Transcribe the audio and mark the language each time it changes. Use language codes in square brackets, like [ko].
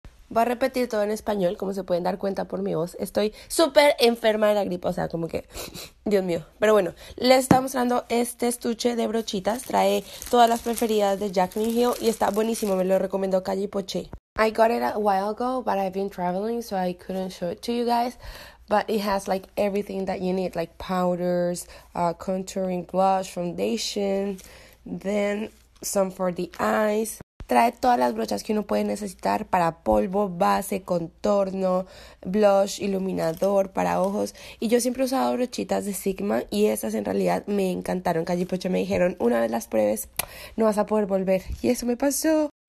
[es] Voy a repetir todo en español, como se pueden dar cuenta por mi voz. Estoy súper enferma de la gripa, o sea, como que, Dios mío. Pero bueno, les estoy mostrando este estuche de brochitas. Trae todas las preferidas de Jacqueline Hill y está buenísimo. Me lo recomendó Calle Poche. [en] I got it a while ago, but I've been traveling, so I couldn't show it to you guys. But it has like everything that you need, like powders, contouring, blush, foundation, then some for the eyes. [es] Trae todas las brochas que uno puede necesitar para polvo, base, contorno, blush, iluminador, para ojos. Y yo siempre he usado brochitas de Sigma y esas en realidad me encantaron. Calle Poche me dijeron, una vez las pruebes, no vas a poder volver. Y eso me pasó.